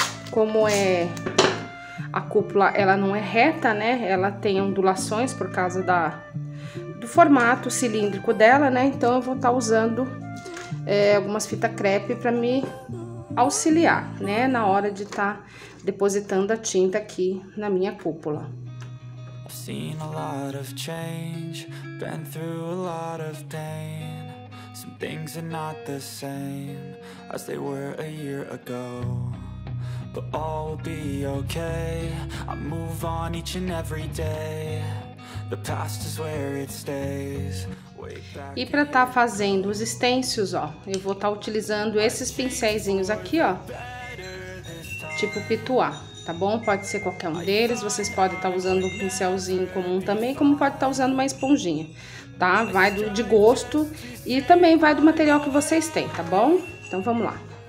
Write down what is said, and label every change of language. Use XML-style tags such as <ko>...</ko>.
<pt>Como é a cúpula, ela não é reta, né? Ela tem ondulações por causa do formato cilíndrico dela, né? Então eu vou estar usando algumas fita crepe pra me auxiliar, né, na hora de estar depositando a tinta aqui na minha cúpula.</pt> <en>I've seen a lot of change, been through a lot of pain. Some things are not the same as they were a year ago. But all will be okay. I move on each and every day. The past is where it stays.</en> <pt>E para estar fazendo os stencils, ó, eu vou estar utilizando esses pincéis aqui, ó, tipo pituá, tá bom? Pode ser qualquer um deles, vocês podem estar usando um pincelzinho comum também, como pode estar usando uma esponjinha, tá? Vai de gosto e também vai do material que vocês têm, tá bom? Então vamos lá.</pt>